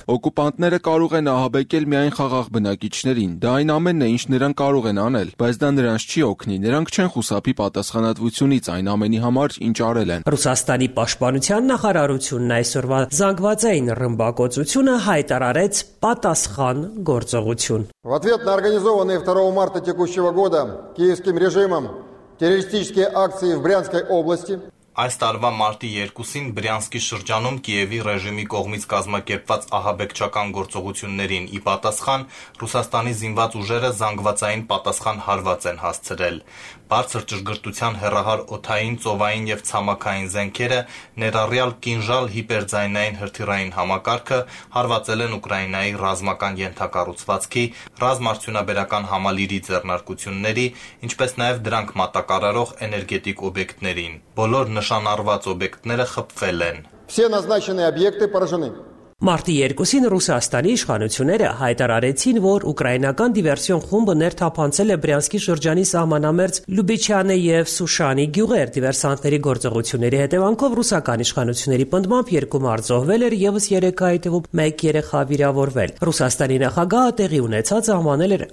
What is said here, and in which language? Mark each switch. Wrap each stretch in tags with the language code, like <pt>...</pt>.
<hy>Օկուպանտները կարող են ահաբեկել միայն խաղաղ բնակիչներին, դա այն ամենն է, ինչ նրանք կարող են անել, բայց դա նրանց չի օգնի։ Նրանք չեն խուսափի պատասխանատվությունից այն ամենի համար, ինչ արել են։ Ռուսաստանի պաշտպանության նախարարությունն այսօրվա զանգվածային ռմբակոծությունը հայտարարեց պատասխան գործողություն։</hy> <ru>В ответ на организованные 2 марта текущего года киевским режимом террористические акции в Брянской области</ru> <hy>Այս տարվա մարտի 2-ին Բրյանսկի շրջանում Կիևի ռեժիմի կողմից կազմակերպված ահաբեկչական գործողություններին ի պատասխան Ռուսաստանի զինված ուժերը զանգվածային պատասխան հարված են հասցրել։ Բարձր ճշգրտության հեռահար օթային, ծովային և ցամաքային զենքերը, ներառյալ կինժալ հիպերձայնային հրթիռային համակարգը հարվածել են Ուկրաինայի ռազմական ենթակառուցվածքի, ռազմարդյունաբերական համալիրի ձեռնարկությունների, ինչպես նաև դրանք մատակարարող էներգետիկ օբյեկտներին։ Բոլոր նշանառված օբյեկտները խփվել են։</hy> <ru>Все назначенные объекты поражены.</ru> <hy>Մարտի 2-ին Ռուսաստանի իշխանությունները հայտարարեցին, որ ուկրաինական դիվերսիոն խումբը ներթափանցել է Բրյանսկի շրջանի սահմանամերձ Լյուբիչյանե և Սուշանի գյուղեր։ Դիվերսանտների գործողությունների հետևանքով ռուսական իշխանությունների պնդմամբ 2 մարդ զոհվել էր, ևս 3 հայտվում 1 երեխա վիրավորվել։ Ռուսաստանի նախագահը տեղի ունեցած ժամանել էր</hy>